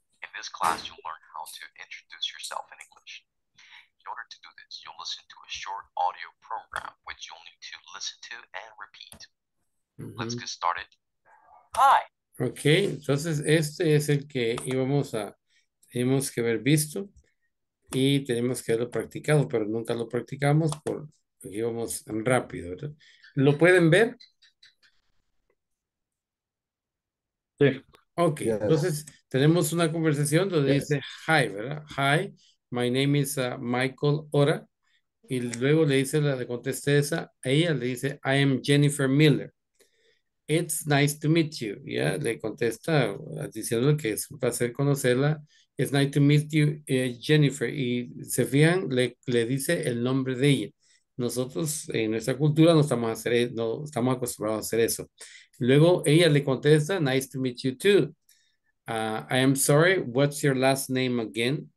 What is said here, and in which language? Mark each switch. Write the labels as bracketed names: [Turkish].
[English] In this class, you'll learn how to introduce yourself in English. In order to do this, you'll listen to a short audio program, which you'll need to listen to and repeat. Mm-hmm. Let's get started. Hi. Okay. [Spanish] Entonces, este es el que íbamos a tenemos que haber visto y tenemos que haberlo practicado, pero nunca lo practicamos porque íbamos rápido, ¿verdad? ¿Lo pueden ver? Sí. [English] Ok, yes. [Spanish] Entonces tenemos una conversación donde yes. Dice, hi, ¿verdad? [English] Hi, my name is Michael Ora. [Spanish] Y luego le dice, la contesté esa, ella le dice, [English] I am Jennifer Miller. It's nice to meet you. [Spanish] Ya, yeah, le contesta diciendo que es un placer conocerla. [English] It's nice to meet you, Jennifer. [Spanish] Y se fijan, le dice el nombre de ella. Nosotros en nuestra cultura no estamos acostumbrados a hacer eso. Luego ella le contesta, [English] nice to meet you too. I am sorry, what's your last name again?